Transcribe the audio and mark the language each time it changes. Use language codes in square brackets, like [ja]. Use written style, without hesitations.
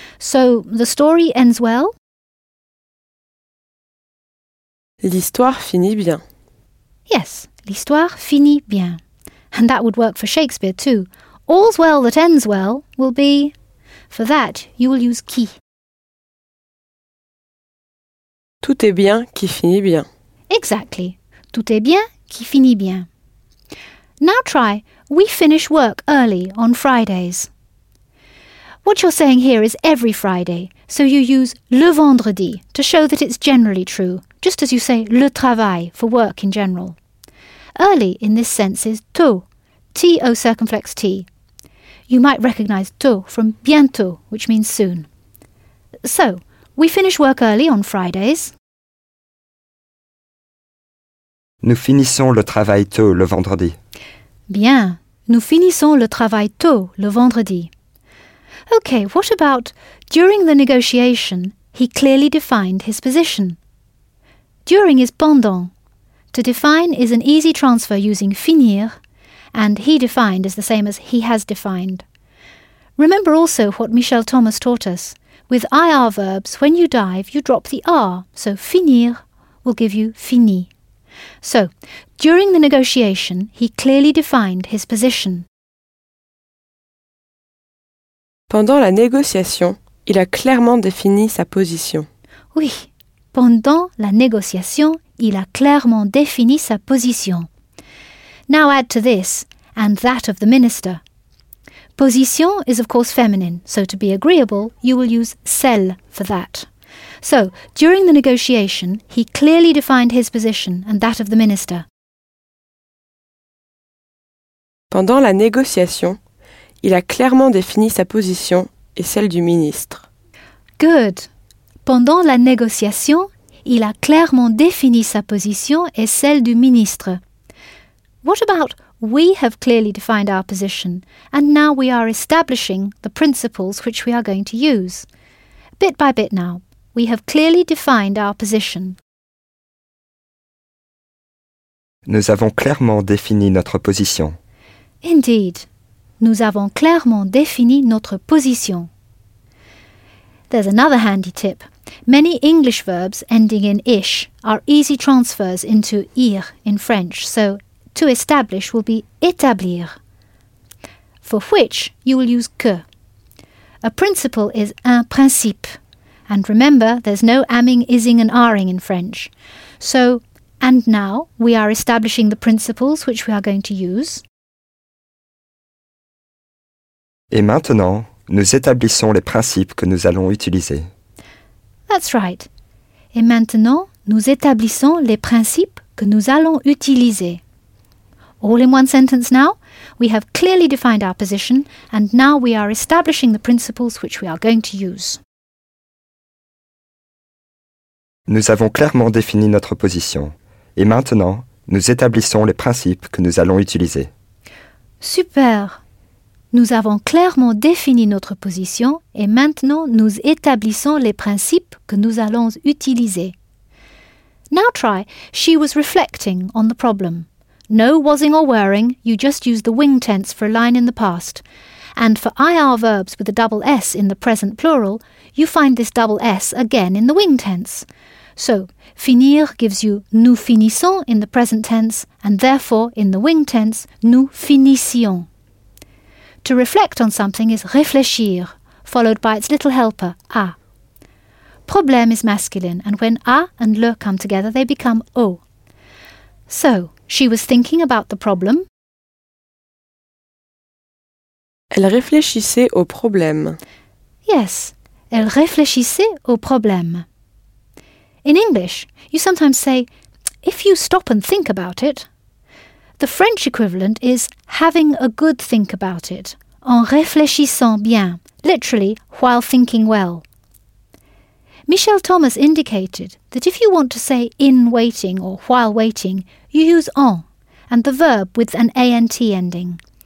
[en] So the story ends well? [fr] L'histoire finit bien. [en] Yes, [fr] l'histoire finit bien. [en] And that would work for Shakespeare too. All's well that ends well will be... For that, you will use qui. [fr] Tout est bien qui finit bien. [en] Exactly. [fr] Tout est bien qui finit bien. [en] Now try, we finish work early on Fridays. What you're saying here is every Friday, so you use [fr] le vendredi [en] to show that it's generally true, just as you say [fr] le travail [en] for work in general. Early in this sense is tôt, T-O circumflex T. You might recognise tôt from bientôt, which means soon. So, we finish work early on Fridays. [fr] Nous finissons le travail tôt le vendredi. Bien, nous finissons le travail tôt le vendredi. [en] Okay, what about during the negotiation, he clearly defined his position. During is pendant. To define is an easy transfer using finir, and he defined is the same as he has defined. Remember also what Michel Thomas taught us. With IR verbs, when you dive, you drop the R, so finir will give you fini. So, during the negotiation, he clearly defined his position. [fr] Pendant la négociation, il a clairement défini sa position. Oui, pendant la négociation, il a clairement défini sa position. [en] Now add to this, and that of the minister. Position is of course feminine, so to be agreeable, you will use celle for that. So, during the negotiation, he clearly defined his position and that of the minister. [fr] Pendant la négociation, il a clairement défini sa position et celle du ministre. [en] Good. [fr] Pendant la négociation, il a clairement défini sa position et celle du ministre. [en] What about we have clearly defined our position and now we are establishing the principles which we are going to use? Bit by bit now. We have clearly defined our position. [fr] Nous avons clairement défini notre position. [en] Indeed. [fr] Nous avons clairement défini notre position. [en] There's another handy tip. Many English verbs ending in ish are easy transfers into ir in French. So, to establish will be établir. For which, you will use que. A principle is un principe. And remember, there's no amming, ising and aring in French. So, and now, we are establishing the principles which we are going to use. [fr] Et maintenant, nous établissons les principes que nous allons utiliser. [en] That's right. [fr] Et maintenant, nous établissons les principes que nous allons utiliser. [en] All in one sentence now, we have clearly defined our position and now we are establishing the principles which we are going to use. [fr] Nous avons clairement défini notre position. Et maintenant, nous établissons les principes que nous allons utiliser. Super! Nous avons clairement défini notre position et maintenant nous établissons les principes que nous allons utiliser. [en] Now try, she was reflecting on the problem. No wasing or worrying, you just use the wing tense for a line in the past. And for IR verbs with a double S in the present plural, you find this double S again in the wing tense. So, finir gives you [fr] nous finissons [en] in the present tense, and therefore, in the wing tense, [fr] nous finissions. [en] To reflect on something is réfléchir, followed by its little helper, a. Problème is masculine, and when a and le come together, they become o. So, she was thinking about the problem. [fr] Elle réfléchissait au problème. [en] Yes, [fr] elle réfléchissait au problème. [en] In English, you sometimes say, if you stop and think about it. The French equivalent is having a good think about it, [fr] en réfléchissant bien, [en] literally, while thinking well. Michelle Thomas indicated that if you want to say in waiting or while waiting, you use en and the verb with an ant ending.